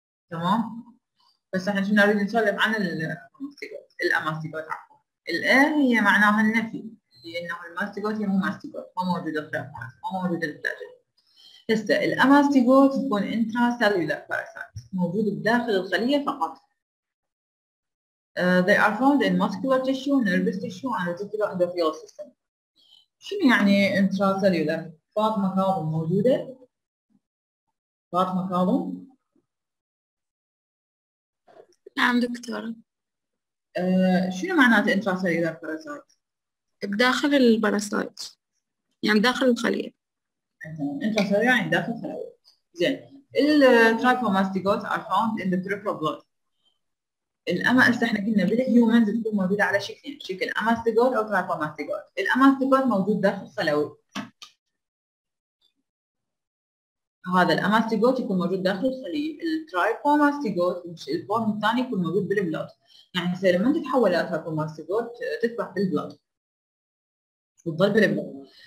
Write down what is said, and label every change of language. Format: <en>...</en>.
<ar>تمام؟ بس احنا شنو نريد نسولف عن الماستيجوت، الأماستيجوت عفوا. الآن هي معناها النفي، لأنه الماستيجوت هي مو ماستيجوت، ما موجود الترايكوماست، ما موجود الفلاجيل. هسه الأماستيجوت تكون انتراسيلولار باراسايت، موجود بداخل الخلية فقط.</ar> <en>They are found in muscular tissue, nervous tissue, and reticular endothelial system.</en> <ar>شنو يعني intracellular؟ فاطمة كاظم موجودة؟ فاطمة كاظم؟ نعم دكتورة. شنو معنات intracellular parasite؟ بداخل الباراسايت، يعني داخل الخلية. intracellular يعني داخل الخلية. زين.</ar> <en>التريكوماستيجوتس are found in the peripheral blood.</en> <ar>الأما احنا قلنا بالهيومنز تكون موجودة على شكلين، شكل أماستيجوت أو ترايكوماستيجوت. الأماستيجوت موجود داخل الخلوي، هذا الأماستيجوت يكون موجود داخل الخلية. الترايكوماستيجوت مش الفورم الثاني يكون موجود بالبلود، يعني سير من تتحول إلى ترايكوماستيجوت تذبح بالبلود وتضل بالبلود.</ar>